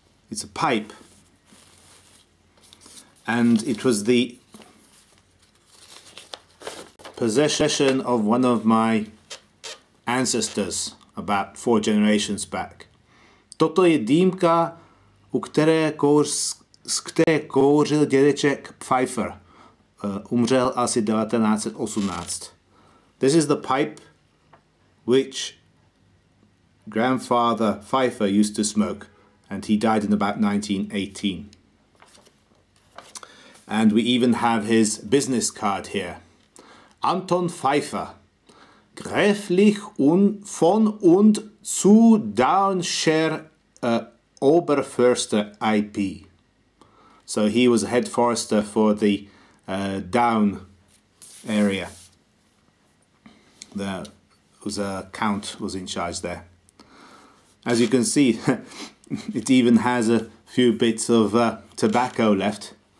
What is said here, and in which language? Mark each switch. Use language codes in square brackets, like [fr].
[en] It's a pipe, and it was the possession of one of my ancestors about four generations back. [cs] Toto je dýmka, u které kouřil dědeček Pfeiffer. Umřel asi 1918. [en] This is the pipe which grandfather Pfeiffer used to smoke, and he died in about 1918. And we even have his business card here. [de] Anton Pfeiffer, Gräflich von und zu Daunscher Oberförster IP. [en] So he was a head forester for the Down area. There was a count was in charge there. As you can see, it even has a few bits of tobacco left.